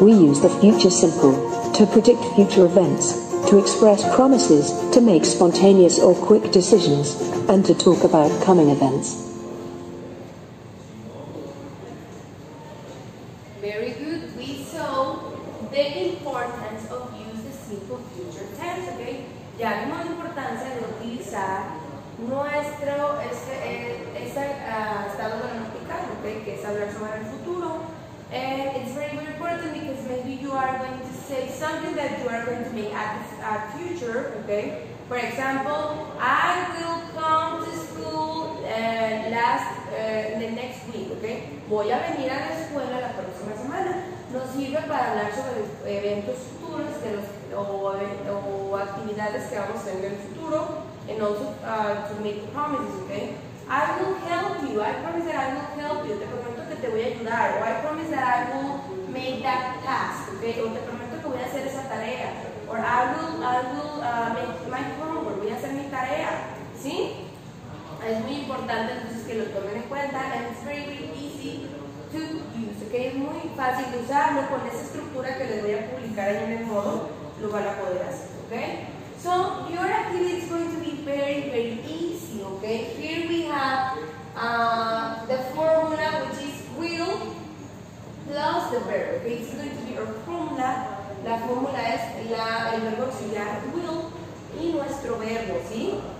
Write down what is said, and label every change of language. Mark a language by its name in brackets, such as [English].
[English] We use the future simple to predict future events, to express promises, to make spontaneous or quick decisions, and to talk about coming events. Very good. We saw the importance of using the simple future tense, okay? [Spanish] Ya vimos la importancia de utilizar nuestro estado gramatical, okay, que es hablar sobre el futuro. [English] And it's very, very important because maybe you are going to say something that you are going to make at the future, okay? For example, I will come to school the next week, okay? [Spanish] Voy a venir a la escuela la próxima semana. Nos sirve para hablar sobre eventos futuros que o actividades que vamos a tener en el futuro. [English] And also to make promises, okay? I will help you. I promise that I will help you. [Spanish] Te prometo que te voy a ayudar. [English] Or I promise that I will make that task, okay? [Spanish] O te prometo que voy a hacer esa tarea. [English] Or I will make my homework. [Spanish] Voy a hacer mi tarea. ¿Sí? Es muy importante entonces que lo tomen en cuenta. [English] And it's very, very easy to use, okay? [Spanish] Es muy fácil de usarlo con esa estructura que les voy a publicar ahí en el modo. Lo van a poder hacer, [English] okay? So, your activity is going to be very, very easy, okay? Here we have the formula, which is will plus the verb, okay? It's going to be our formula. [Spanish] La fórmula es el verbo auxiliar will y nuestro verbo, ¿sí?